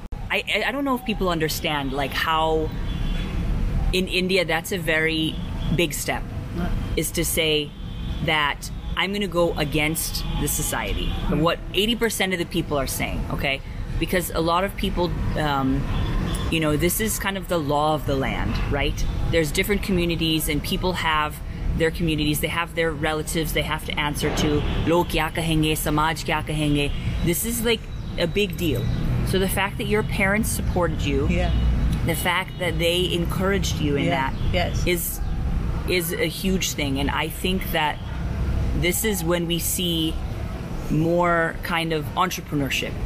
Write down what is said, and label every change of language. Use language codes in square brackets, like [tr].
[en] I don't know if people understand, like, how in India that's a very big step, is to say that I'm going to go against the society, what 80% of the people are saying, okay? Because a lot of people You know, this is kind of the law of the land, right? There's different communities and people have their communities, they have their relatives they have to answer to. [hi] लोग क्या कहेंगे, समाज क्या कहेंगे. [en] This is like a big deal. So the fact that your parents supported you, the fact that they encouraged you in that is a huge thing. And I think that this is when we see more kind of entrepreneurship.